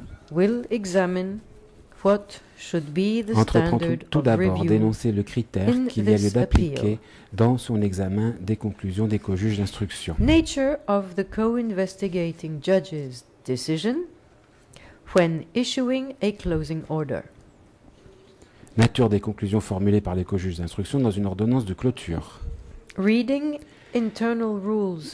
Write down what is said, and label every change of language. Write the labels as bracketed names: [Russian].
[English] will examine what should be the [French] entreprend tout d'abord d'énoncer le critère qu'il y a lieu d'appliquer dans son examen des conclusions des co-juges d'instruction. [English] Nature of the co-investigating judge's decision when issuing a closing order. [French] Nature des conclusions formulées par les co-juges d'instruction dans une ordonnance de clôture. [English] Reading internal rules